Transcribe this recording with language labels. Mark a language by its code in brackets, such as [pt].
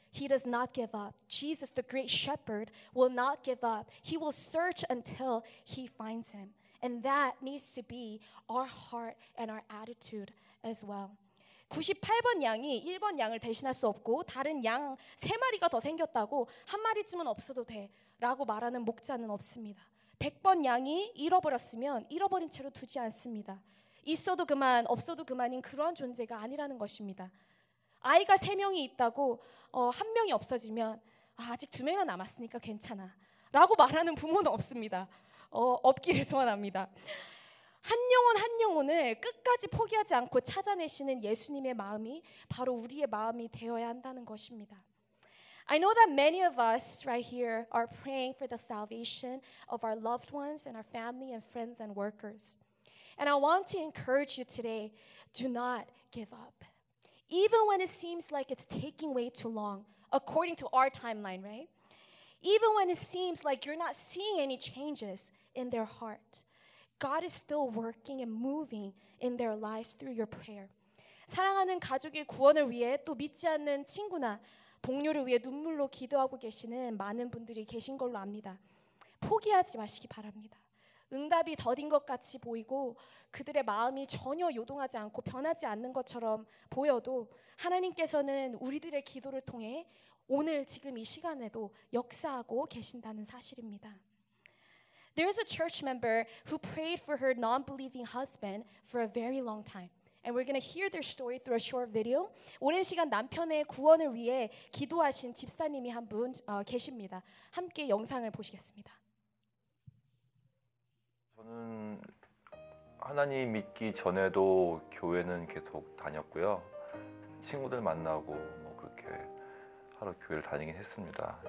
[en] He does not give up. Jesus, the great shepherd, will not give up. He will search until he finds him. And that needs to be our heart and our attitude as well. [ko] 98번 양이 1번 양을 대신할 수 없고 다른 양 3마리가 더 생겼다고 한 마리쯤은 없어도 돼 라고 말하는 목자는 없습니다. 100번 양이 잃어버렸으면 잃어버린 채로 두지 않습니다. 있어도 그만 없어도 그만인 그런 존재가 아니라는 것입니다. 아이가 3명이 있다고 한 명이 없어지면 아직 2명이나 남았으니까 괜찮아 라고 말하는 부모는 없습니다. 없기를 소원합니다. 한 영혼 한 영혼을 끝까지 포기하지 않고 찾아내시는 예수님의 마음이 바로 우리의 마음이 되어야 한다는 것입니다. [en] I know that many of us right here are praying for the salvation of our loved ones and our family and friends and workers. And I want to encourage you today, do not give up. Even when it seems like it's taking way too long, according to our timeline, right? Even when it seems like you're not seeing any changes in their heart, God is still working and moving in their lives through your prayer. [ko] 사랑하는 가족의 구원을 위해 또 믿지 않는 친구나 동료를 위해 눈물로 기도하고 계시는 많은 분들이 계신 걸로 압니다. 포기하지 마시기 바랍니다. 응답이 더딘 것 같이 보이고 그들의 마음이 전혀 요동하지 않고 변하지 않는 것처럼 보여도 하나님께서는 우리들의 기도를 통해 오늘 지금 이 시간에도 역사하고 계신다는 사실입니다. [en] There is a church member who prayed for her non-believing husband for a very long time. And we're going to hear their story through a short video. [ko] 오랜 시간 남편의 구원을 위해 기도하신 집사님이 한 분 계십니다. 함께 영상을 보시겠습니다. 저는 하나님 믿기 전에도 교회는 계속 다녔고요. 친구들 만나고 뭐 그렇게 하루 교회를 다니긴 했습니다.